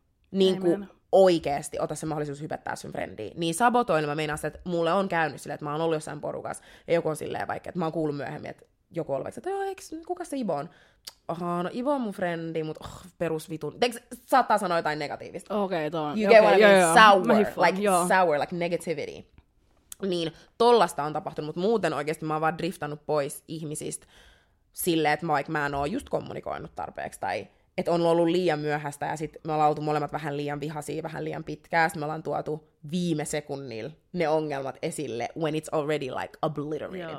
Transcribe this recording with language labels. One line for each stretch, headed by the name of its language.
Finnish: Niinku oikeesti ota se mahdollisuus hypettää sun frendiä. Niin sabotoin, mä meinaan sitä, että mulle on käynyt silleen, että mä oon ollut jossain porukassa, ja joku on silleen vaikka, että mä oon kuullut myöhemmin, että joku on vaikka, että joo, kuka se Ivo on? Ahaa, no Ivo on mun frendi, mutta oh, perusvitun. Teekö, saattaa sanoa jotain negatiivista. Okei, okay, toi
English: on. You get what I mean, sour, like negativity.
Finnish: Niin, tollasta on tapahtunut, mutta muuten oikeasti mä oon vaan driftannut pois ihmisistä silleen, että vaikka mä en oo just kommunikoinut tarpeeksi, tai että on ollut liian myöhäistä, ja sit me ollaan oltu molemmat vähän liian vihaisia, vähän liian pitkää, sit me ollaan tuotu viime sekunnilla ne ongelmat esille,
English: when it's already like obliterated.